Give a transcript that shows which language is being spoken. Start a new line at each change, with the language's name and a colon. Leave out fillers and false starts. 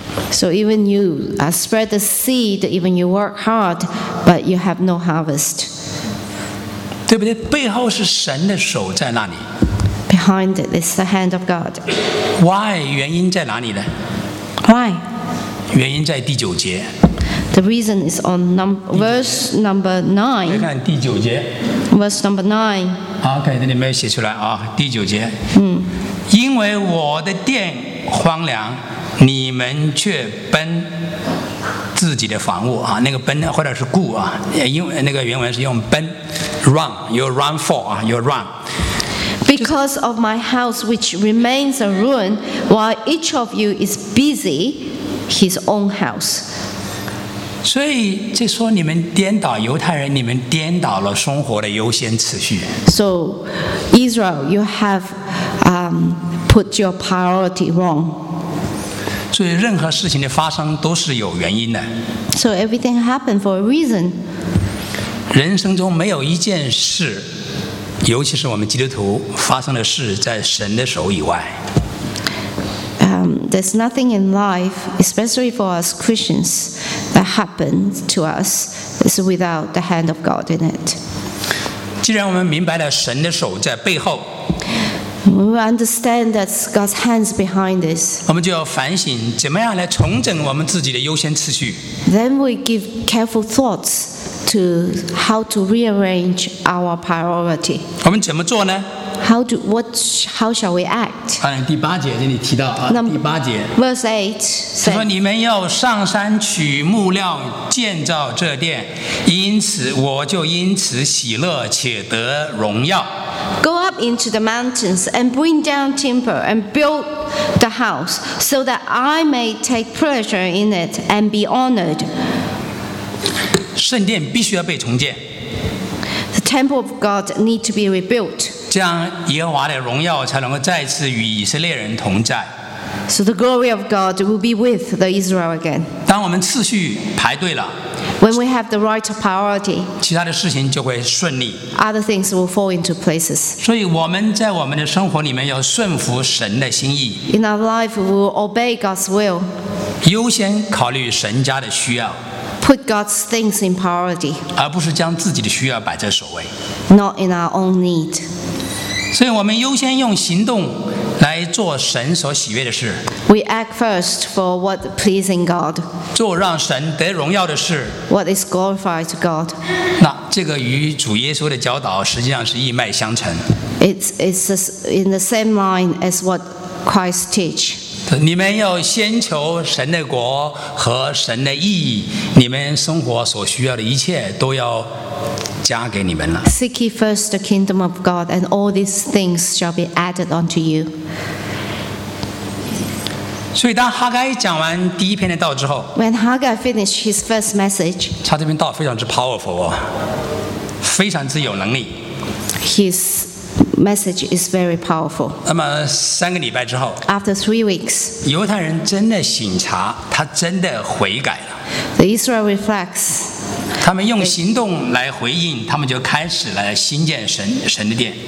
English: So even you spread the seed, even you work hard, but you have no harvest.
Chinese: 对不对？背后是神的手在那里。
English: Behind it is the hand of God. Why?
Chinese: 原因在哪里呢
English: ？Why?
Chinese: 原因在第九节。
English: The reason is on verse number 9.
Chinese: 看第九节。
English: Verse number 9.
Chinese: 好，看这里没有写出来啊，第九节。嗯。因为我的殿荒凉。你们却奔自己的房屋啊，那个奔或者是顾啊，因为那个原文是用奔 ，
English: run， you run for
Chinese: 啊 ，
English: you run。 Because of my house which remains a ruin, while each of you is busy his own house。
Chinese: 所以这说你们颠倒犹太人，你们颠倒了生活的优先次序。
English: So Israel, you have put your priority wrong.
Chinese: 所以任何事情的发生都是有原因的。
English: So everything happened for a reason.
Chinese: 人生中没有一件事，尤其是我们基督徒发生的事，在神的手以外。
English: There's nothing in life, especially for us Christians, that happens to us is without the hand of God in it.
Chinese: 既然我们明白了神的手在背后。
English: We understand that God's hands behind this.
Chinese: 我们就要反省，怎么样来重整我们自己的优先次序。
English: Then we give careful thoughts to how to rearrange our priority.
Chinese: 我们怎么做呢
English: ？How shall we act?
Chinese: 第八节这里提到啊，第八节。
English: Verse 8 says,
Chinese: 他说你们要上山取木料建造这殿，因此我就因此喜乐且得荣耀。
English: Go up into the mountains and bring down timber and build the house so that I may take pleasure in it and be honored.
Chinese: 圣殿必须要被重建。
English: The temple of God need to be rebuilt.
Chinese: 这样耶和华的荣耀才能够再次与以色列人同在。
English: So the glory of God will be with the Israel again.
Chinese: 当我们次序排对了。
English: When we have the right priority,
Chinese: 其他的事情就会顺利。
English: Other things will fall into places.
Chinese: 所以我们在我们的生活里面要顺服神的心意。
English: In our life, we will obey God's will.
Chinese: 优先考虑神家的需要。
English: Put God's things in priority.
Chinese: 而不是将自己的需要摆在首位。
English: Not in our own need.
Chinese: 所以我们优先用行动来做神所喜悦的事。
English: We act first for what pleasing God.
Chinese: 做让神得荣耀的事。
English: What is glorified to God?
Chinese: 那这个与主耶稣的教导实际上是一脉相承。
English: It's in the same line as what Christ teach.
Chinese: 你们要先求神的国和神的义，你们生活所需要的一切都要加给你们了。
English: Seek ye first the kingdom of God, and all these things shall be added unto you.
Chinese: 所以，当哈该讲完第一篇的道之后
English: ，When Haggai finished his first message,
Chinese: 他这篇道非常之 powerful 哦，非常之有能力。
English: His message is very powerful.
Chinese: 那么三个礼拜之后
English: ，After 3 weeks,
Chinese: 犹太人真的省察，他真的悔改了。
English: The Israel reflects.
Chinese: 他们用行动来回应，他们就开始来兴建神的殿。